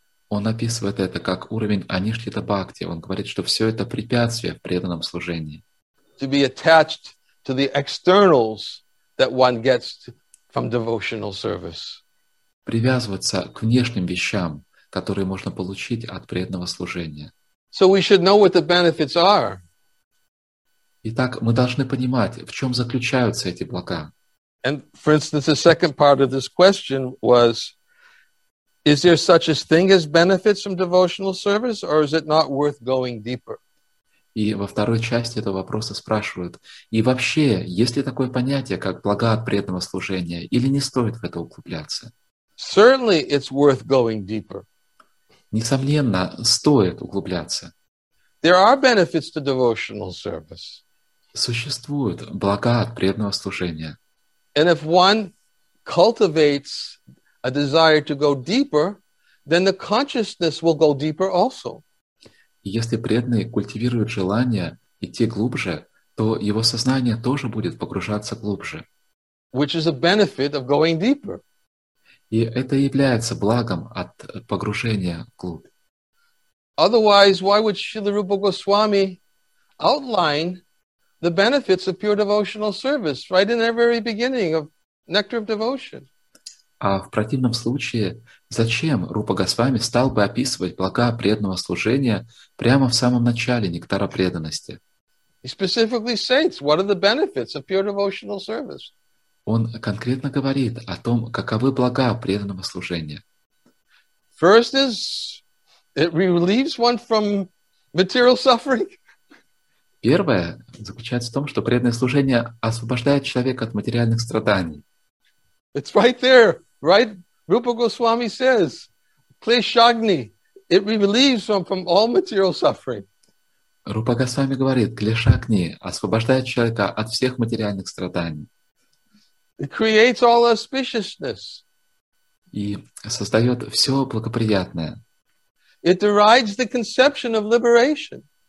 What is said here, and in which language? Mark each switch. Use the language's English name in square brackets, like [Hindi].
[Russian] Он описывает это как уровень анишхита бхакти. Он говорит, что все это препятствие в преданном служении. [English] To be attached to the externals that one gets from devotional service. [Russian] Привязываться к внешним вещам, которые можно получить от преданного служения. [English] So we should know what the benefits are. [Russian] Итак, мы должны понимать, в чем заключаются эти блага. [English] And for instance, the second part of this question was, is there such a thing as benefits from devotional service, or is it not worth going deeper? [Russian] И во второй части этого вопроса спрашивают, и вообще, есть ли такое понятие, как блага от преданного служения, или не стоит в это углубляться? [English] Certainly it's worth going deeper. [Russian] Несомненно, стоит углубляться. [English] There are benefits to devotional service. [Russian] Существуют блага от преданного служения. [English] And if one cultivates a desire to go deeper, then the consciousness will go deeper also. [Russian] Если преданный культивирует желание идти глубже, то его сознание тоже будет погружаться глубже. [English] Which is a benefit of going deeper. [Russian] И это является благом от погружения глубь. [English] Otherwise, why would Srila Rupa Goswami outline the benefits of pure devotional service right in the very beginning of Nectar of Devotion? [Russian] А в противном случае, зачем Рупа Госвами стал бы описывать блага преданного служения прямо в самом начале Нектара преданности? [English] He specifically states, what are the benefits of pure devotional service? [Russian] Он конкретно говорит о том, каковы блага преданного служения. [English] First is, it relieves one from material suffering. [Russian] Первое заключается в том, что преданное служение освобождает человека от материальных страданий. [English] It's right there, right? Rupa Goswami says, Kleshagni, it relieves one from all material suffering. [Russian] Рупа Госвами говорит, Клешагни освобождает человека от всех материальных страданий. [English] It creates all auspiciousness. [Russian] И создает все благоприятное. [English] It derides the conception of liberation.